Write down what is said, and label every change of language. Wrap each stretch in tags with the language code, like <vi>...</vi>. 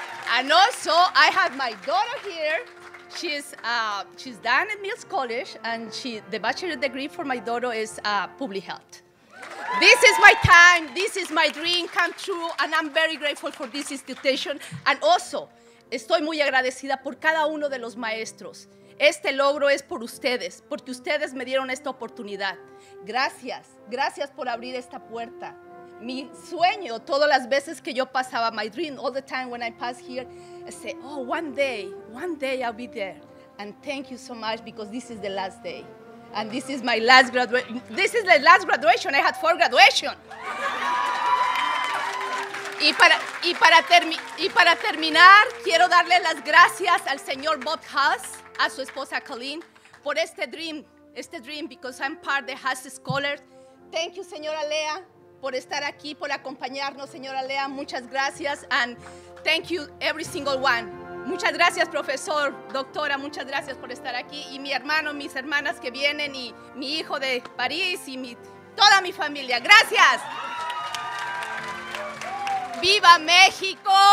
<en>And also, I have my daughter here. She's done at Mills College, and the bachelor's degree for my daughter is public health. This is my time, this is my dream come true, and I'm very grateful for this institution. And also,</en> <es>estoy muy agradecida por cada uno de los maestros. Este logro es por ustedes, porque ustedes me dieron esta oportunidad. Gracias, gracias por abrir esta puerta. Mi sueño, todas las veces que yo pasaba,</es> <en>my dream, all the time when I pass here, I say, one day I'll be there. And thank you so much because this is the last day. And this is my last graduation. This is the last graduation. I had 4 graduations.</en> <es>Y para terminar, quiero darle las gracias al señor Bob Haas, a su esposa Colleen, por este</es> <en>dream, because I'm part of the Haas Scholars. Thank you,</en> <es>señora Lea, por estar aquí, por acompañarnos, señora Lea. Muchas gracias,</es> <en>and thank you, every single one.</en> <es>Muchas gracias, profesor, doctora, muchas gracias por estar aquí, y mi hermano, mis hermanas que vienen, y mi hijo de París, y toda mi familia. ¡Gracias! ¡Viva México!</es>